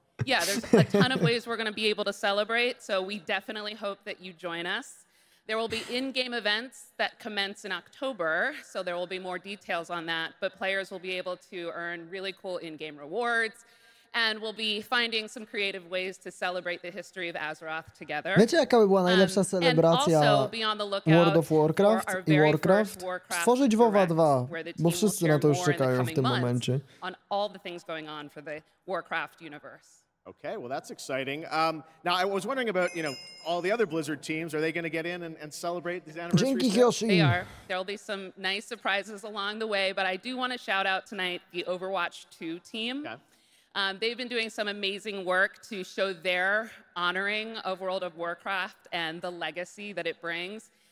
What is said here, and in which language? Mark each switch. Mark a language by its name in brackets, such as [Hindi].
[English] Yeah, there's a ton of ways we're going to be able to celebrate, so we definitely hope that you join us. There will be in-game events that commence in October, so there will be more details on that, but players will be able to earn really cool in-game rewards, and we'll be finding some creative ways to celebrate the history of Azeroth together. [Polish] Wiecie, jaka by była najlepsza celebracja World of Warcraft i Warcraft? Stworzyć WoWa 2, bo wszyscy na to już czekają w tym momencie. [English] On all the things going on for the Warcraft universe. Okay, well, that's exciting. Now, I was wondering about, you know, all the other Blizzard teams. Are they going to get in and celebrate these anniversaries? They are. There will be some nice surprises along the way, but I do want to shout out tonight the Overwatch 2 team. Okay. They've been doing some amazing work to show their honoring of World of Warcraft and the legacy that it brings.